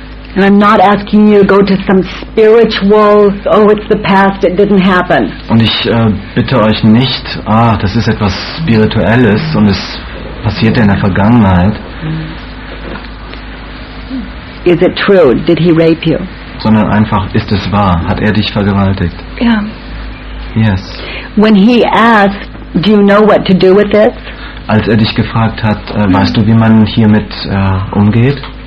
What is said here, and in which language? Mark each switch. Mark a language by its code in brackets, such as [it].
[en] And I'm not asking you to go to some spiritual. Oh, it's the past. It didn't happen. [de] Und ich bitte euch nicht. Ah, das ist etwas Spirituelles und es passierte in der Vergangenheit. [en] Is it true? Did he rape you? [de] Sondern einfach, ist es wahr? Hat er dich vergewaltigt? Ja. [en] Yeah. Yes. When he asked, do you know what to do with this? [de] Als er dich gefragt hat, weißt du, wie man hiermit umgeht?